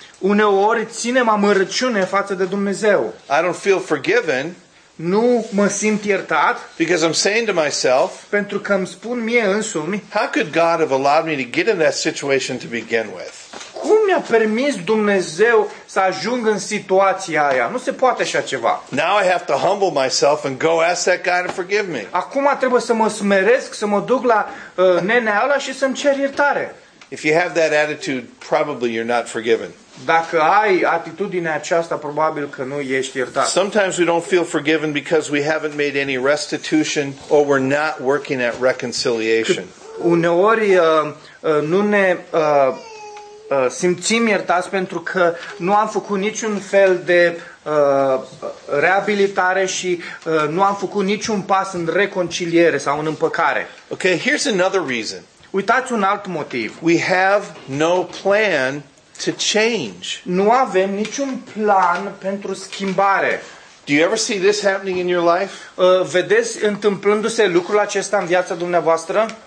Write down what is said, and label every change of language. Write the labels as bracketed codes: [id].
[ro] Uneori ținem amărăciune față de Dumnezeu. [en] I don't feel forgiven. [ro] Nu mă simt iertat. [en] Because I'm saying to myself, [ro] pentru că îmi spun mie însumi, [en] how could God have allowed me to get in that situation to begin with? [ro] Cum mi-a permis Dumnezeu să ajung în situația aia? Nu se poate așa ceva. [en] Now I have to humble myself and go ask that guy to forgive me. [ro] Acum trebuie să mă smeresc, să mă duc la nenea ăla și să-mi cer iertare. [en] If you have that attitude, probably you're not forgiven. [ro] Dacă ai atitudinea aceasta, probabil că nu ești iertat. [en] Sometimes we don't feel forgiven because we haven't made any restitution or we're not working at reconciliation. [ro] Uneori nu ne simțim iertați pentru că nu am făcut niciun fel de reabilitare și nu am făcut niciun pas în reconciliere sau în împăcare. [en] Okay, here's another reason. [ro] Uitați un alt motiv. [en] We have no plan to change. [ro] Nu avem niciun plan pentru schimbare. [en] Do you ever see this happening in your life? [ro] Vedeți întâmplându-se lucrul acesta în viața dumneavoastră?